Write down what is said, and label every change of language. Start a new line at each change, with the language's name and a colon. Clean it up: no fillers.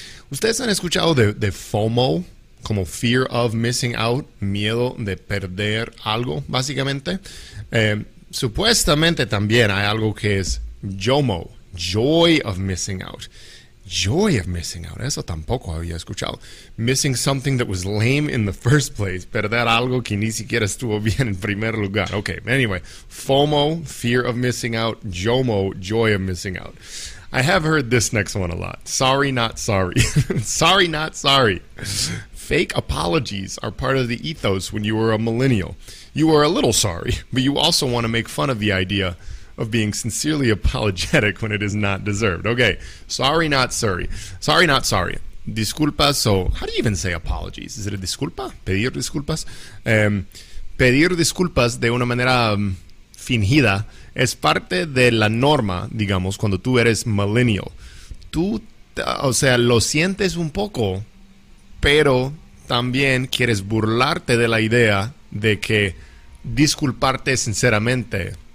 Spanish: ¿Ustedes han escuchado de FOMO? Como
English: fear of missing out.
Spanish: Miedo de perder algo, básicamente. Supuestamente también hay algo que es...
English: JOMO, joy of missing out. Joy of missing out,
Spanish: eso tampoco había escuchado.
English: Missing something that was lame in the first place.
Spanish: Perder algo que ni siquiera estuvo bien en primer lugar.
English: Okay, anyway, FOMO, fear of missing out. JOMO, joy of missing out. I have heard this next one a lot. Sorry, not sorry. Sorry, not sorry. Fake apologies are part of the ethos when you were a millennial. You were a little sorry, but you also want to make fun of the idea of being sincerely apologetic when it is not deserved. Okay, sorry, not sorry. Sorry, not sorry. disculpas. So how do you even say apologies? Is it a disculpa?
Spanish: Pedir disculpas. Pedir disculpas de una manera fingida es parte de la norma, digamos, cuando tú eres millennial. Tú, o sea, lo sientes un poco, pero también quieres burlarte de la idea de que disculparte sinceramente.